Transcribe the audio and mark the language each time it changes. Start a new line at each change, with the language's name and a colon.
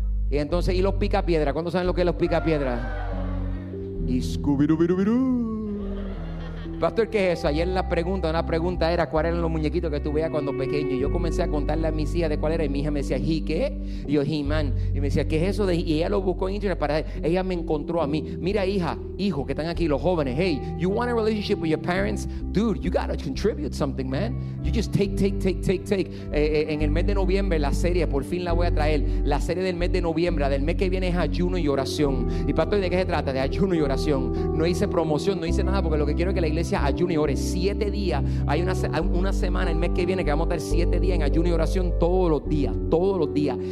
Spanish: Y entonces, y los pica piedra. ¿Cuántos saben lo que es los pica piedra? Y Scooby-Doo-Doo. Pastor, ¿qué es eso? Ayer una pregunta era, ¿cuáles eran los muñequitos que tú veías cuando pequeño? Y yo comencé a contarle a mi hija de cuál era. Y mi hija me decía, ¿y qué? Y yo, He-Man. Y me decía, ¿qué es eso? Y ella lo buscó en internet para él. Ella me encontró a mí. Mira, hija, hijo, que están aquí los jóvenes.
English: Hey, you want a relationship with your parents? Dude, you gotta contribute something, man. You just take.
Spanish: En el mes de noviembre, la serie, por fin la voy a traer. La serie del mes de noviembre, del mes que viene, es ayuno y oración. Y pastor, ¿de qué se trata? De ayuno y oración. No hice promoción, no hice nada, porque lo que quiero es que la iglesia ayuno y ore 7 días. Hay una semana el mes que viene que vamos a estar 7 días en ayuno y oración todos los días.